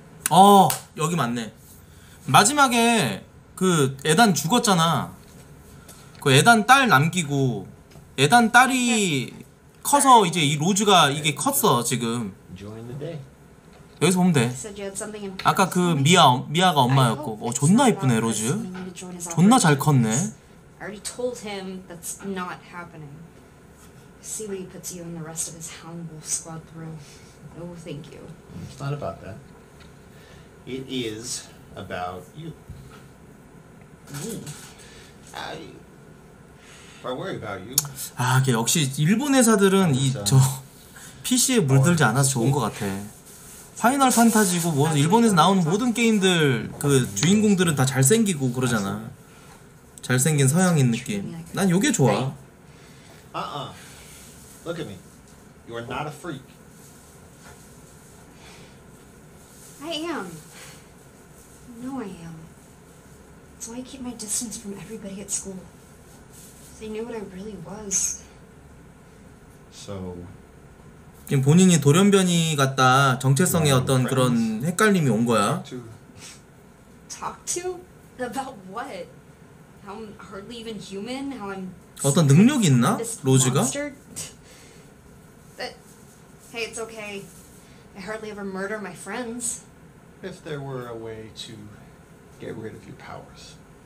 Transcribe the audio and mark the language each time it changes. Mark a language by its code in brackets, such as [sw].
[ko] 어, 여기 맞네. 마지막에 그 에단 죽었잖아. 그 에단 딸 남기고 에단 딸이 커서 이제 이 로즈가 이게 컸어 지금. 여기서 보면 돼. 아까 그 미아가 엄마였고. 어, 존나 이쁘네 로즈. 존나 잘 컸네. [en] Already told him that's not happening. See what he puts you and the rest of his Houndwolf squad through. No, thank you. It's not about that. It is about you. Me? I. I worry about you. [ko] 아, 이게 역시 일본 회사들은 이 저 PC에 물들지 않아서 좋은 것 같아. 파이널 판타지고 뭐 일본에서 나오는 모든 게임들 그 주인공들은 다 잘생기고 그러잖아. 잘생긴 서양인 느낌. 난 요게 좋아. [en] Look at me. You are not a freak. I am. No, I am. That's why I keep my distance from everybody at school. They knew what I really was. So. [ko] 지금 본인이 돌연변이 같다. 정체성의 어떤 그런 헷갈림이 온 거야. [en] Talk to about what? How I'm hardly even human. How I'm [ko] 어떤 능력이 있나? 로즈가? [en] Hey, it's okay. I hardly ever murder my friends. If there were a way to get rid of your powers.